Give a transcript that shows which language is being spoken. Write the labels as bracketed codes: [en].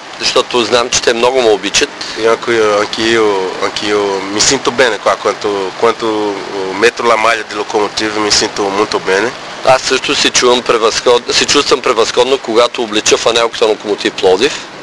[bg] Защото знам, че те много ме обичат. [it] Anch'io mi sinto bene qua, quanto metto la maglia di Locomotive mi sinto molto bene. [bg] Аз също се чувствам превъзходно, когато облича фанелката на Локомотив Пловдив.